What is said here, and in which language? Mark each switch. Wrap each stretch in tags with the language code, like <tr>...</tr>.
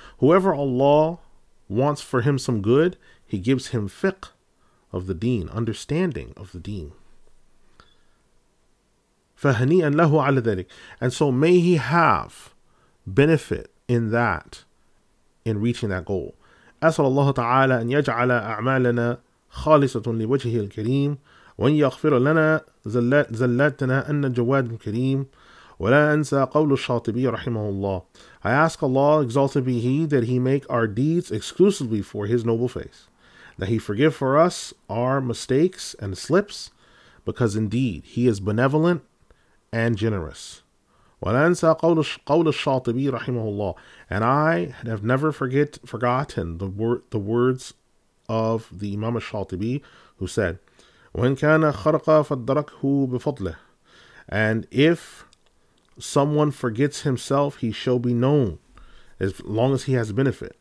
<en>Whoever Allah wants for him some good, he gives him fiqh of the deen, understanding of the deen.</en> <ar>فَهَنِيًا لَهُ عَلَى ذَلِكَ.</ar> <en>And so may he have benefit in that, in reaching that goal.</en> <ar>أسأل الله تعالى أن يجعل أعمالنا خالصة لوجهه الكريم وأن يغفر لنا زلاتنا أن جواد كريم ولا أنسى قول الشاطبي رحمه الله.</ar> <en>I ask Allah, exalted be He, that He make our deeds exclusively for His noble face, that He forgive for us our mistakes and slips, because indeed He is benevolent and generous.</en> <ar>ولا أنسى قول الشاطبي رحمه الله.</ar> <en>And I have never forgotten the words of the Imam al-Shatibi, who said,</en> <ar>وَإِنْ كَانَ خَرْقَ فَدَّرَكْهُ بِفَضْلِهِ.</ar> <en>And if someone forgets himself, he shall be known as long as he has benefit.</en>